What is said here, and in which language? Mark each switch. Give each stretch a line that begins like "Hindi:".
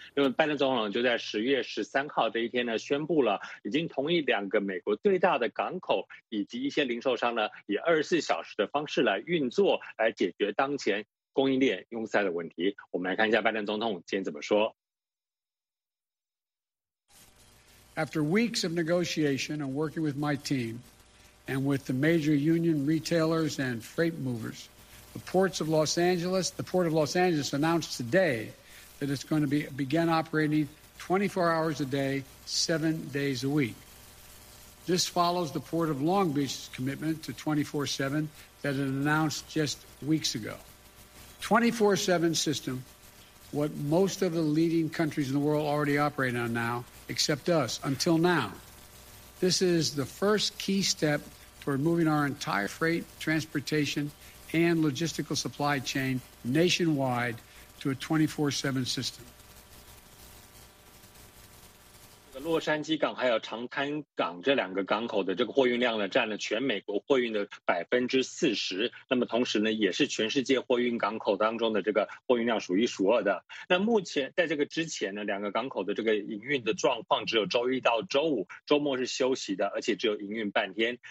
Chinese: 那么拜登总统就在10月13号这一天呢，宣布了已经同意两个美国最大的港口以及一些零售商呢，以24小时的方式是来运作，来解决当前供应链拥塞的问题。我们来看一下拜登总统今天怎么说。
English: After weeks of negotiation and working with my team and with the major union retailers and freight movers, the ports of Los Angeles, the port of Los Angeles announced today that it's going to begin operating 24 hours a day, 7 days a week. This follows the Port of Long Beach's commitment to 24/7 that it announced just weeks ago. 24/7 system, what most of the leading countries in the world already operate on now, except us, until now. This is the first key step toward moving our entire freight, transportation, and logistical supply chain nationwide to a 24/7 system.
Chinese: 洛杉矶港还有长滩港这两个港口的这个货运量呢，占了全美国货运的40%。那么同时呢，也是全世界货运港口当中的这个货运量数一数二的。那目前在这个之前呢，两个港口的这个营运的状况只有周一到周五，周末是休息的，而且只有营运半天。